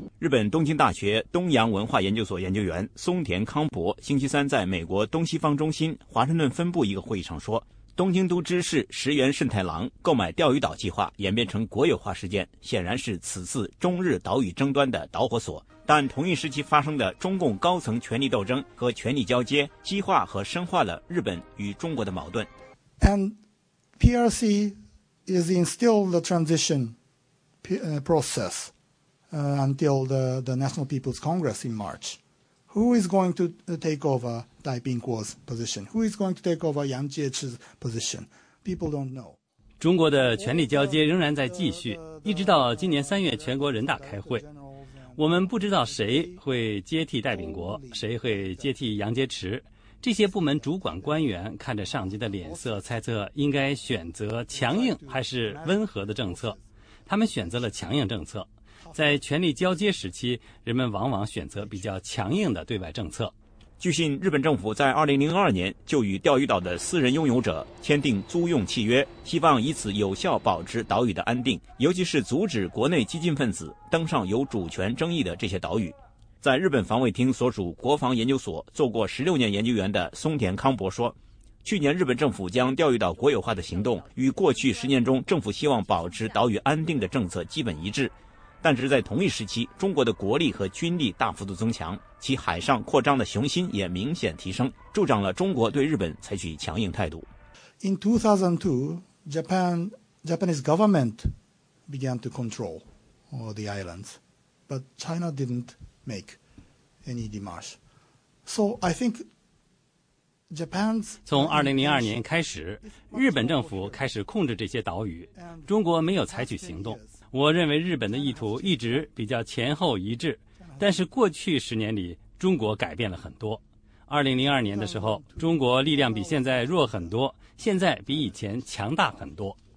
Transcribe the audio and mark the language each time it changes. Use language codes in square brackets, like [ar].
[zh] 日本东京大学东洋文化研究所研究员松田康博星期三在美国东西方中心华盛顿分部一个会议上说，东京都知事石原慎太郎购买钓鱼岛计划演变成国有化事件，显然是此次中日岛屿争端的导火索。但同一时期发生的中共高层权力斗争和权力交接，激化和深化了日本与中国的矛盾。 [en] And PRC is in still the transition process until the National People's Congress in March. Who is going to take over Dai Bingguo's position? Who is going to take over Yang Jiechi's position? People don't know. [zh] 中国的权力交接仍然在继续，一直到今年三月全国人大开会。我们不知道谁会接替戴秉国，谁会接替杨洁篪。这些部门主管官员看着上级的脸色，猜测应该选择强硬还是温和的政策。他们选择了强硬政策。在权力交接时期，人们往往选择比较强硬的对外政策。据信，日本政府在2002年就与钓鱼岛的私人拥有者签订租用契约，希望以此有效保持岛屿的安定，尤其是阻止国内激进分子登上有主权争议的这些岛屿。在日本防卫厅所属国防研究所做过16年研究员的松田康博说，去年日本政府将钓鱼岛国有化的行动与过去10年中政府希望保持岛屿安定的政策基本一致。但是在同一时期，中国的国力和军力大幅度增强，其海上扩张的雄心也明显提升，助长了中国对日本采取强硬态度。 [en] In 2002, Japanese government began to control all the islands, but China didn't make any demarche. So I think Japan's [zh] 从2002年开始，日本政府开始控制这些岛屿，中国没有采取行动。我认为日本的意图一直比较前后一致，但是过去十年里，中国改变了很多。 2002年的时候，中国力量比现在弱很多，现在比以前强大很多。